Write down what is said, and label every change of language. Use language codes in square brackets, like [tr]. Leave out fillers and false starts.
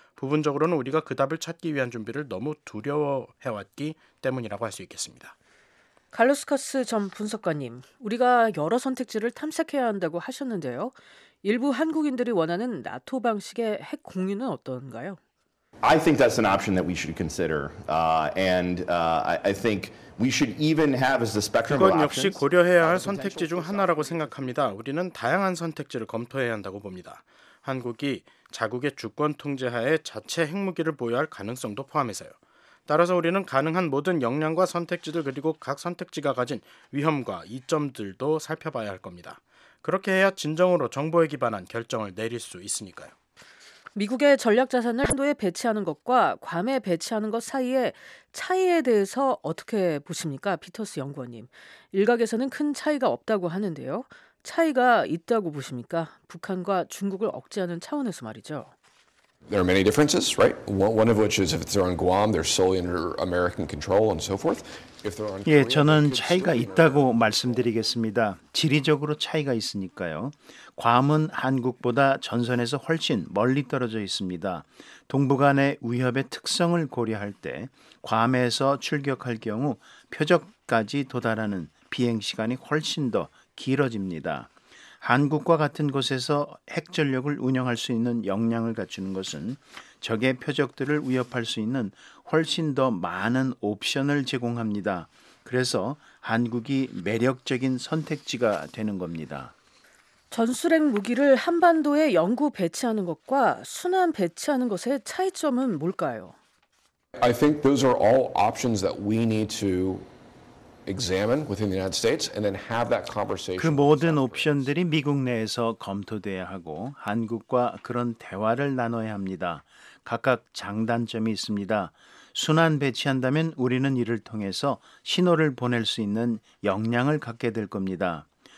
[ko] 부분적으로는 우리가 그 답을 찾기 위한 준비를 너무 두려워해왔기 때문이라고 할 수 있겠습니다. 칼로스카스 전 분석가님, 우리가 여러 선택지를 탐색해야 한다고 하셨는데요. 일부 한국인들이 원하는 나토 방식의 핵 공유는 어떤가요? [en] I think that's an option that we should consider. I think we should even have as the spectrum of options. [ko] 그건 역시 고려해야 할 선택지 중 하나라고 생각합니다. 우리는 다양한 선택지를 검토해야 한다고 봅니다. 한국이 자국의 주권 통제 하에 자체 핵무기를 보유할 가능성도 포함해서요. 따라서 우리는 가능한 모든 역량과 선택지들 그리고 각 선택지가 가진 위험과 이점들도 살펴봐야 할 겁니다. 그렇게 해야 진정으로 정보에 기반한 결정을 내릴 수 있으니까요. 미국의 전략 자산을 한도에 배치하는 것과 괌에 배치하는 것 사이의 차이에 대해서 어떻게 보십니까? 피터스 연구원님. 일각에서는 큰 차이가 없다고 하는데요. 차이가 있다고 보십니까? 북한과 중국을 억제하는 차원에서 말이죠. [en] There are many differences, right? One of which is if they're on Guam, they're solely under American control and so forth. If they're on Korea, [ko] 예, 저는 차이가 있다고 말씀드리겠습니다. 지리적으로 차이가 있으니까요. 괌은 한국보다 전선에서 훨씬 멀리 떨어져 있습니다. 동북한의 위협의 특성을 고려할 때 괌에서 출격할 경우 표적까지 도달하는 비행 시간이 훨씬 더 길어집니다. 한국과 같은 곳에서 핵전력을 운영할 수 있는 역량을 갖추는 것은 적의 표적들을 위협할 수 있는 훨씬 더 많은 옵션을 제공합니다. 그래서 한국이 매력적인 선택지가 되는 겁니다. 전술핵 무기를 한반도에 영구 배치하는 것과 순환 배치하는 것의 차이점은 뭘까요? [en] I think those are all options that we need to examine within the United States and then have that conversation. [ko] 그 모든 옵션들이 미국 내에서 검토돼야 하고 한국과 그런 대화를 나눠야 합니다. 각각 장단점이 있습니다. 순환 배치한다면 우리는 이를 통해서 신호를 보낼 수 있는 역량을 갖게 될 겁니다.